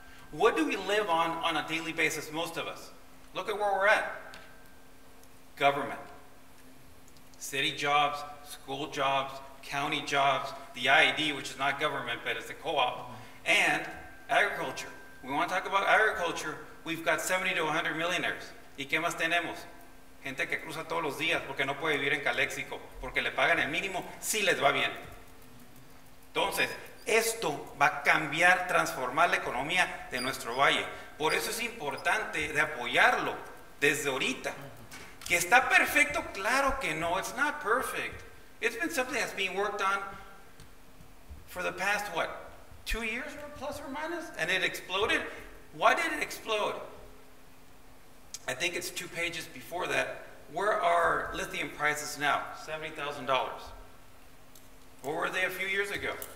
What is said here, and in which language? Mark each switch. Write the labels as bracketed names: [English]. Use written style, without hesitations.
[English] What do we live on a daily basis, most of us? Look at where we're at. Government, city jobs, school jobs, county jobs, the IED, which is not government, but it's a co-op, and agriculture. We want to talk about agriculture. We've got 70 to 100 millionaires. [Spanish] ¿Y qué más tenemos? Gente que cruza todos los días porque no puede vivir en Calexico, porque le pagan el mínimo, si les va bien. Entonces, esto va a cambiar, transformar la economía de nuestro valle. Por eso es importante de apoyarlo desde ahorita. ¿Que está perfecto? Claro que no, [English] it's not perfect. It's been something that's been worked on for the past, what, 2 years or plus or minus? And it exploded? Why did it explode? I think it's two pages before that. Where are lithium prices now? $70,000. Where were they a few years ago?